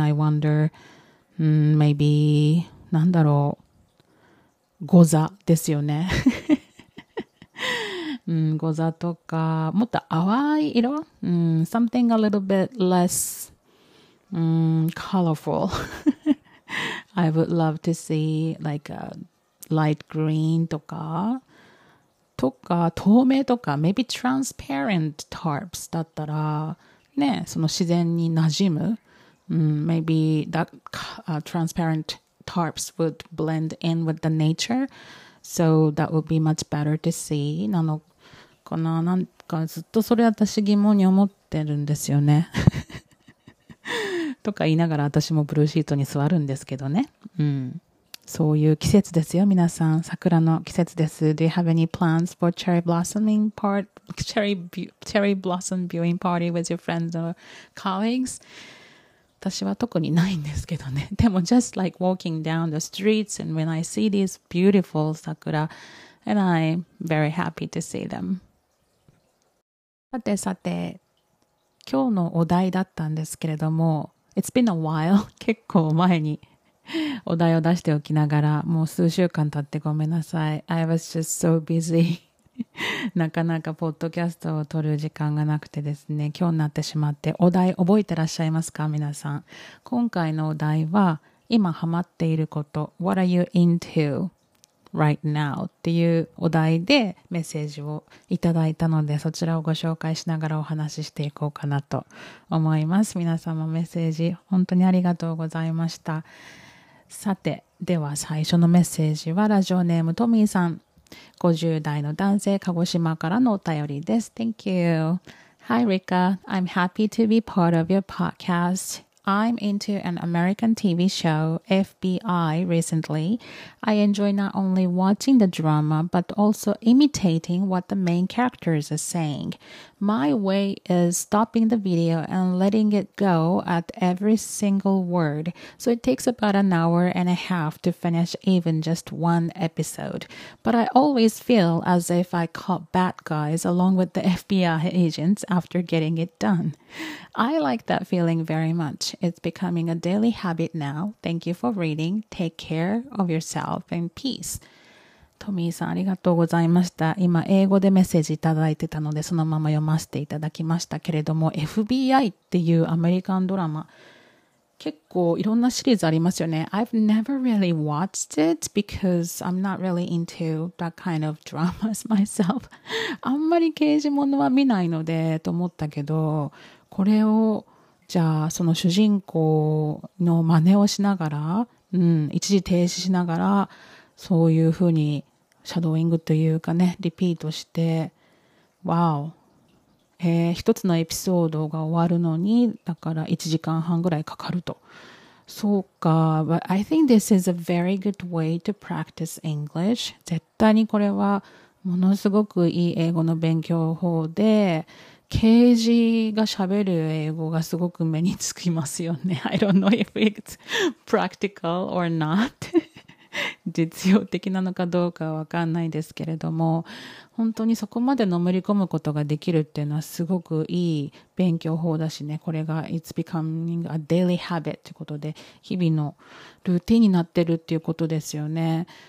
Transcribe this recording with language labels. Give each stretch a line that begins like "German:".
English: I wonder、maybe
Japanese: なんだろう、ゴザですよね。ゴザとかもっと淡い色、
English: something a little bit less colorful I would love to see like a light green
Japanese: とか、とか透明とか
English: maybe transparent tarps
Japanese: だったらね、その自然に馴染む、
English: maybe that transparent tarps would blend in with the nature, so that would be much better to see
Japanese: なのかな、なんかずっとそれ私疑問に思ってるんですよねとか言いながら私もブルーシートに座るんですけどね、そういう季節ですよ皆さん、桜の季節です。
English: Do you have any plans for cherry blossoming part, cherry blossom viewing party with your friends or colleagues?
Japanese: 私は特にないんですけどね、でも
English: just like walking down the streets and when I see these beautiful 桜 and I'm very happy to see them.
Japanese: さてさて、今日のお題だったんですけれども、
English: It's been a while.
Japanese: 結構前にお題を出しておきながら、もう数週間経ってごめんなさい。
English: I was just so busy.
Japanese: なかなかポッドキャストを撮る時間がなくてですね、今日になってしまって、お題覚えてらっしゃいますか皆さん。今回のお題は、今ハマっていること、
English: What are you into right now?
Japanese: っていうお題でメッセージをいただいたので、そちらをご紹介しながらお話ししていこうかなと思います。皆様メッセージ、本当にありがとうございました。さて、では最初のメッセージはラジオネームトミーさん。 50代の男性、鹿児島からのお便りです。
English: Thank you. Hi, Rika. I'm happy to be part of your podcast. I'm into an American TV show, FBI, recently. I enjoy not only watching the drama, but also imitating what the main characters are saying. My way is stopping the video and letting it go at every single word. So it takes about an hour and a half to finish even just one episode. But I always feel as if I caught bad guys along with the FBI agents after getting it done. I like that feeling very much. It's becoming a daily habit now. Thank you for reading. Take care of yourself and peace.
Japanese: トミーさん、ありがとうございました。今、英語でメッセージいただいてたので、そのまま読ませていただきましたけれども、FBI っていうアメリカンドラマ、結構いろんなシリーズありますよね。
English: I've never really watched it because I'm not really into that kind of dramas myself.
Japanese: あんまり刑事物は見ないのでと思ったけど、これをじゃあその主人公の真似をしながら、一時停止しながらそういうふうにシャドーイングというかね、リピートして、わお、一つのエピソードが終わるのにだから1時間半ぐらいかかると。そうか、
English: But I think this is a very good way to practice English.
Japanese: 絶対にこれはものすごくいい英語の勉強法で、ケージが喋る英語がすごく目につきますよね。
English: I don't know if it's practical or not.
Japanese: 実用的なのかどうかは分かんないですけれども、本当にそこまでのめり込むことができるっていうのはすごくいい勉強法だしね。これが
English: It's becoming a daily habit
Japanese: ってことで、日々のルーティンになってるっていうことですよね。